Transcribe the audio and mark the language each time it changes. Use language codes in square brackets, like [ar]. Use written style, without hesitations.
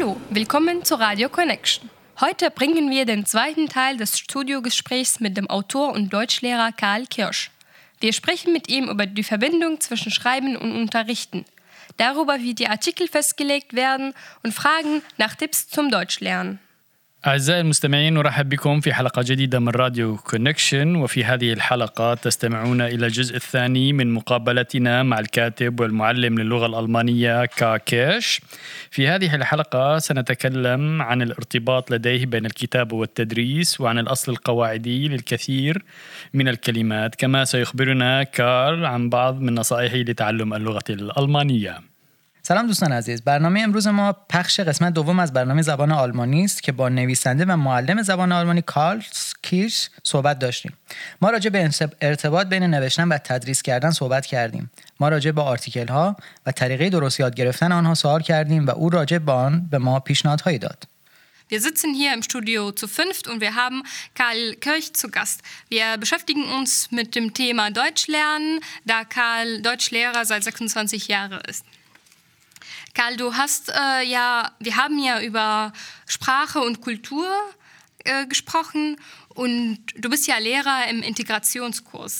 [de] Willkommen zu Radio Connection. Heute bringen wir den zweiten Teil des Studiogesprächs mit dem Autor und Deutschlehrer Karl Kirsch. Wir sprechen mit ihm über die Verbindung zwischen Schreiben und Unterrichten, darüber, wie die Artikel festgelegt werden und fragen nach Tipps zum Deutschlernen. [ar] أعزائي المستمعين أرحب بكم في حلقة جديدة من راديو كونكشن وفي هذه الحلقة تستمعون إلى الجزء الثاني من مقابلتنا مع الكاتب والمعلم للغة الألمانية كاكيش في هذه الحلقة سنتكلم عن الارتباط لديه بين الكتاب والتدريس وعن الأصل القواعدي للكثير من الكلمات كما سيخبرنا كارل عن بعض من نصائحه لتعلم اللغة الألمانية [fa] سلام دوستان عزیز، برنامه امروز ما پخش قسمت دوم از برنامه زبان آلمانی است که با نویسنده و معلم زبان آلمانی کارل کیرش صحبت داشتیم. ما راجع به ارتباط بین نوشتن و تدریس کردن صحبت کردیم. ما راجع به آرتیکل ها و طریقه درست یاد گرفتن آنها سوال کردیم و او راجع به آن به ما پیشنهادهایی داد. [de] Wir sitzen hier im Studio zu fünft und wir haben Karl Kirsch zu Gast. Wir beschäftigen uns mit dem Thema Deutschlernen, da Karl Deutschlehrer seit 26 Jahren ist. Karl, du hast wir haben ja über Sprache und Kultur gesprochen und du bist ja Lehrer im Integrationskurs.